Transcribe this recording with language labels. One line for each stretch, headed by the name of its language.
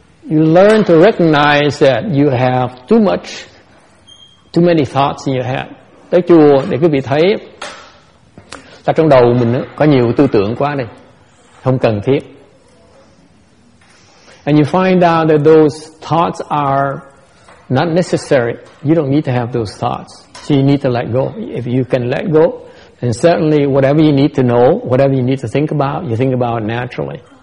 English: You learn to recognize that you have too many thoughts in your head.
Vietnamese: Tới chùa để quý vị thấy là trong đầu mình có nhiều tư tưởng quá đây, không cần thiết.
English: And you find out that those thoughts are not necessary. You don't need to have those thoughts. So you need to let go. If you can let go, and certainly whatever you need to know, whatever you need to think about, you think about it naturally.